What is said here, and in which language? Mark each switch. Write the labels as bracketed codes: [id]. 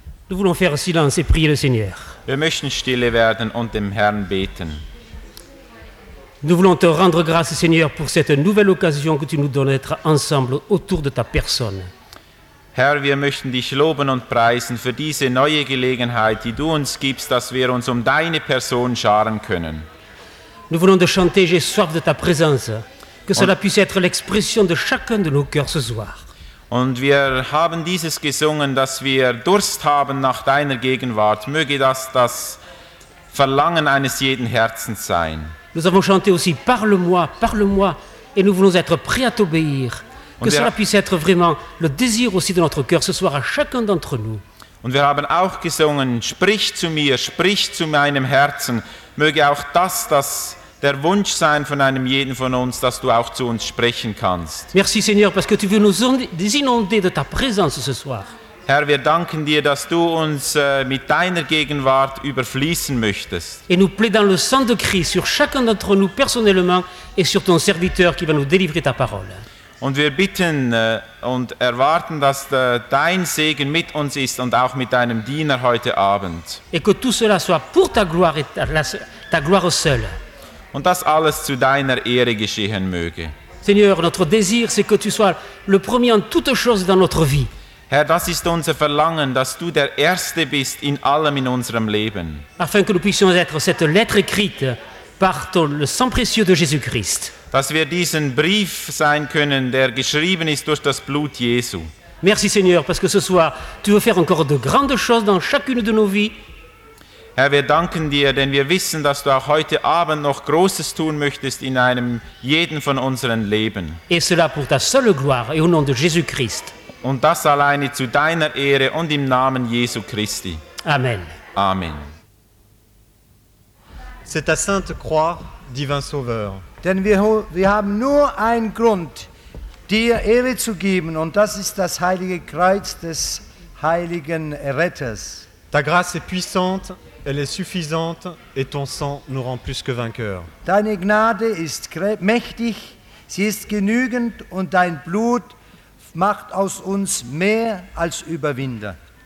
[fr] Nous voulons faire silence et prier le Seigneur. [de] Wir möchten stille werden und dem Herrn beten. [fr] Nous voulons te rendre grâce, Seigneur, pour cette nouvelle occasion que tu nous donnes d'être ensemble autour de ta personne. [de] Herr, wir möchten dich loben und preisen für diese neue Gelegenheit, die du uns gibst, dass wir uns um deine Person scharen können. [fr] Nous voulons de chanter « J'ai soif de ta présence », que cela puisse être l'expression de chacun de nos cœurs ce soir. [de] Und wir haben dieses gesungen, dass wir Durst haben nach deiner Gegenwart. Möge das das Verlangen eines jeden Herzens sein. [fr] Nous avons chanté aussi « Parle-moi, parle-moi » et nous voulons être prêts à t'obéir. Que cela puisse être vraiment le désir aussi de notre cœur ce soir à chacun d'entre nous. [de] Und wir haben auch gesungen « Sprich zu mir, sprich zu meinem Herzen ». Möge auch das, das der Wunsch sein von einem jeden von uns, dass du auch zu uns sprechen kannst. [fr] Merci Seigneur, parce que tu veux nous inonder de ta présence ce soir. [de] Herr, wir danken dir, dass du uns mit deiner Gegenwart überfließen möchtest. [fr] Et nous plaidons le sang de Christ sur chacun d'entre nous personnellement et sur ton serviteur qui va nous délivrer ta parole. [de] Und wir bitten und erwarten, dass dein Segen mit uns ist und auch mit deinem Diener heute Abend. [fr] Et que tout cela soit pour ta gloire et ta gloire seule. [de] Und dass alles zu deiner Ehre geschehen möge. [fr] Seigneur, notre désir, c'est que tu sois le premier en toutes choses dans notre vie. [de] Herr, das ist unser Verlangen, dass du der Erste bist in allem in unserem Leben. [fr] Afin que nous puissions être cette lettre écrite par le sang précieux de Jésus-Christ. [de] Dass wir diesen Brief sein können, der geschrieben ist durch das Blut Jesu. [fr] Merci Seigneur, parce que ce soir, tu veux faire encore de grandes choses dans chacune de nos vies. [de] Herr, wir danken dir, denn wir wissen, dass du auch heute Abend noch Großes tun möchtest in einem jeden von unseren Leben. [fr] Et cela pour ta seule gloire et au nom de Jésus-Christ. [de] Und das alleine zu deiner Ehre und im Namen Jesu Christi. [fr] Amen. [de] Amen. [fr] C'est ta sainte croix, divin sauveur. [de] Denn wir haben nur einen Grund, dir Ehre zu geben, und das ist das heilige Kreuz des heiligen Retters. [fr] Ta grâce est puissante, elle est suffisante, et ton sang nous rend plus que vainqueurs. [de] Deine Gnade ist mächtig, sie ist genügend, und dein Blut macht aus uns mehr als Überwinder.